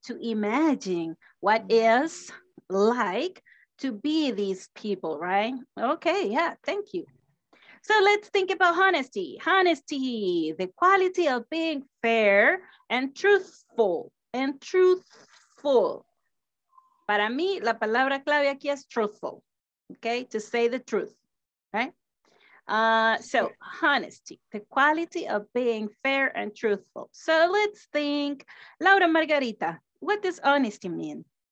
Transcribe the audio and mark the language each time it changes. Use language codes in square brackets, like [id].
[en] To imagine what is like to be these people, right? Okay, yeah, thank you. So let's think about honesty. Honesty, the quality of being fair and truthful. And truthful. [es] Para mí, la palabra clave aquí es truthful. [en] Okay, to say the truth, right? So honesty, the quality of being fair and truthful. So let's think, Laura Margarita, what does honesty mean?